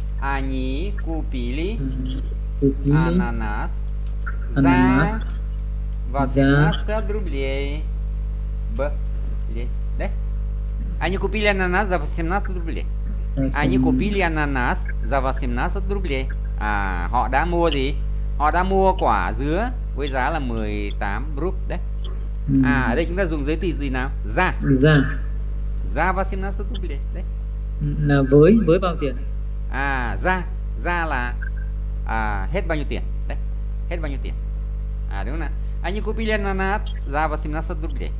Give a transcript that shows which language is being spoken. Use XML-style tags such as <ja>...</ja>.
<ru>Они купили ананас за 18 рублей. Б. Да? Они купили ананас за 18 рублей. Они купили ананас за 18 рублей.</ru> <vi>А, họ đã mua gì? Họ đã mua quả dứa với giá là 18 rúp đấy. À, ở đây chúng ta dùng giới từ gì nào?</vi> <ru>За. За. За 18 рублей</ru> <vi>đấy. Là với bao tiền?</vi> <ru>À, за.</ru> <vi>За là à, hết bao nhiêu tiền đấy. Hết bao nhiêu tiền? À, đúng không nào?</vi> <ru>Они купили ананас за 18 рублей.</ru>